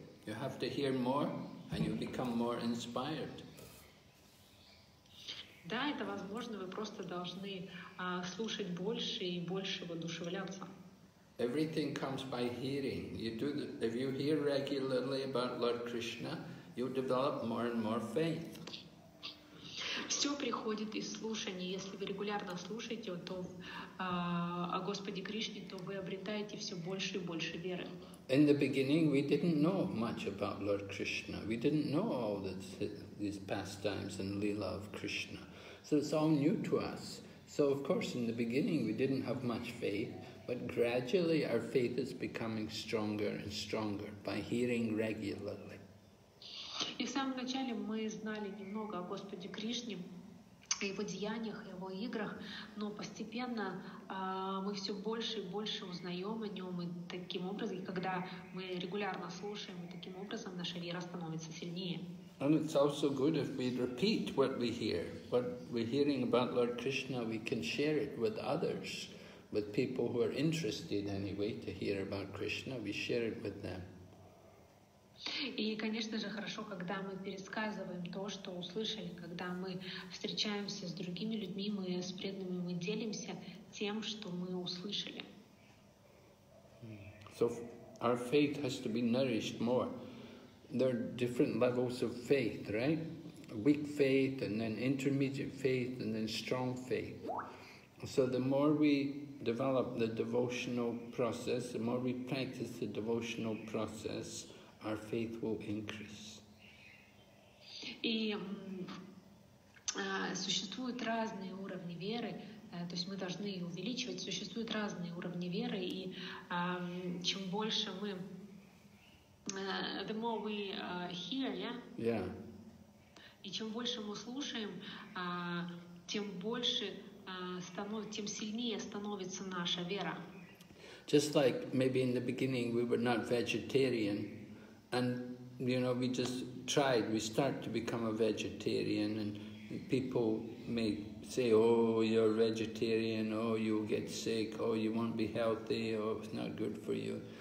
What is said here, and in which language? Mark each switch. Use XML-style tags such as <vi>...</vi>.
<en>You have to hear more, and you become more inspired.</en> <ru>Да, это возможно. Вы просто должны слушать больше и больше воодушевляться.</ru> <en>Everything comes by hearing. If you hear regularly about Lord Krishna, you develop more and more faith.</en> <ru>Все приходит из слушания. Если вы регулярно слушаете о Господе Кришне, то вы обретаете все больше и больше веры.</ru> <en>In the beginning, we didn't know much about Lord Krishna. We didn't know all these pastimes and Leela of Krishna. So it's all new to us. So of course, in the beginning, we didn't have much faith, but gradually our faith is becoming stronger and stronger by hearing regularly.</en> <ru>И в самом начале мы знали немного о Господе Кришне, о его деяниях, о его играх, но постепенно мы все больше и больше узнаем о нем, и таким образом, когда мы регулярно слушаем, и таким образом наша вера становится сильнее.</ru> <en>And it's also good if we repeat what we hear. What we're hearing about Lord Krishna, we can share it with others, with people who are interested anyway to hear about Krishna, we share it with them.</en> <ru>И, конечно же, хорошо, когда мы пересказываем то, что услышали, когда мы встречаемся с другими людьми, мы с преданными, мы делимся тем, что мы услышали.</ru> <en>So our faith has to be nourished more. There are different levels of faith, right? Weak faith, and then intermediate faith, and then strong faith. So the more we develop the devotional process, the more we practice the devotional process, our faith will increase.</en> <ru>И существуют разные уровни веры, то есть мы должны увеличивать. Существуют разные уровни веры, и чем больше мы,</ru> <en>the more we hear, yeah. Yeah.</en> <ru>И чем больше мы слушаем, тем больше тем сильнее становится наша вера.</ru> <en>Just like maybe in the beginning we were not vegetarian, and you know we just tried. We start to become a vegetarian, and people may say, "Oh, you're vegetarian. Oh, you'll get sick. Oh, you won't be healthy. Oh, it's not good for you."</en>